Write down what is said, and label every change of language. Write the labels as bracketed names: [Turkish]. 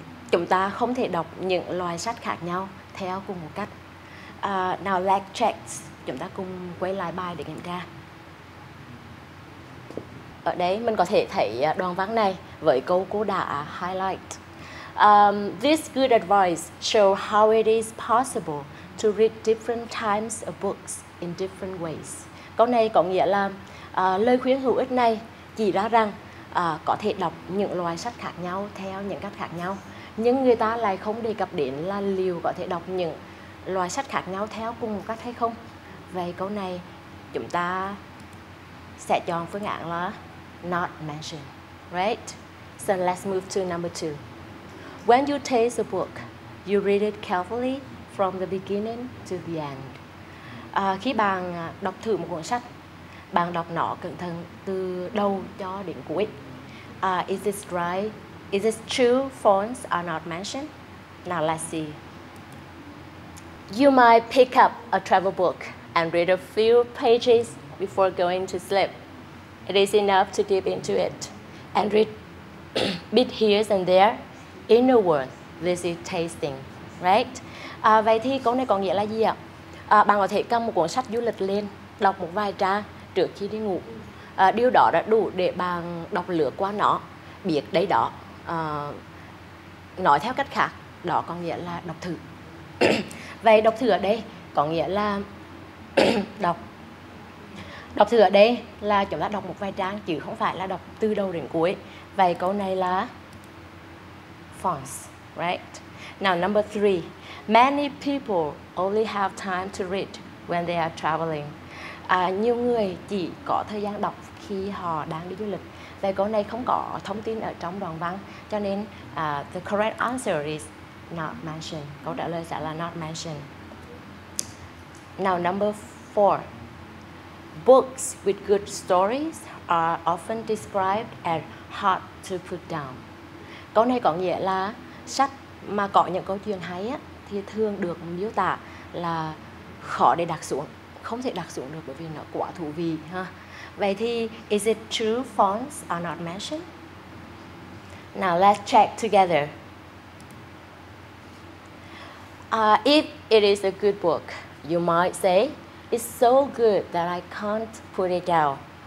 [Vietnamese] Chúng ta không thể đọc những loại sách khác nhau theo cùng một cách. [English] Now let's check. [Vietnamese] Chúng ta cùng quay lại bài để kiểm tra. Ở đây mình có thể thấy đoạn văn này với câu cô đã highlight. [English] This good advice shows how it is possible to read different types of books in different ways. [Vietnamese] Câu này có nghĩa là lời khuyên hữu ích này chỉ ra rằng có thể đọc những loại sách khác nhau theo những cách khác nhau. Nhưng người ta lại không đề cập đến là liệu có thể đọc những loại sách khác nhau theo cùng một cách hay không. Vậy câu này chúng ta sẽ chọn phương án là not mentioned. [English] Right? So let's move to number two. When you taste a book, you read it carefully from the beginning to the end. [Vietnamese] Khi bạn đọc thử một cuốn sách, bạn đọc nó cẩn thận từ đầu cho đến cuối. [English] Is this right? Is this true? False are not mentioned. Now let's see. You might pick up a travel book and read a few pages before going to sleep. It is enough to dip into it and read bit here and there. In a word, this is tasting, right? [Vietnamese] Vậy thì câu này có nghĩa là gì ạ? Bạn có thể cầm một cuốn sách du lịch lên, đọc một vài trang trước khi đi ngủ. Điều đó đã đủ để bạn đọc lướt qua nó, biết đấy đó. Nói theo cách khác, đó có nghĩa là đọc thử. Vậy đọc thử ở đây có nghĩa là đọc thử ở đây là chúng ta đọc một vài trang, chứ không phải là đọc từ đầu đến cuối. Vậy câu này là false, right? [English] Now number three, many people only have time to read when they are traveling. [Vietnamese] Nhiều người chỉ có thời gian đọc khi họ đang đi du lịch. Vậy câu này không có thông tin ở trong đoạn văn, cho nên [English] the correct answer is not mentioned. [Vietnamese] Câu trả lời sẽ là not mentioned. [English] Now number four, books with good stories are often described as hard to put down. [Vietnamese] Câu này có nghĩa là sách mà có những câu chuyện hay á, thì thường được miêu tả là khó để đặt xuống, không thể đặt xuống được bởi vì nó quá thú vị ha. Vậy thì [English] is it true fonts are not mentioned? Now let's check together. If it is a good book, you might say it's so good that I can't put it down.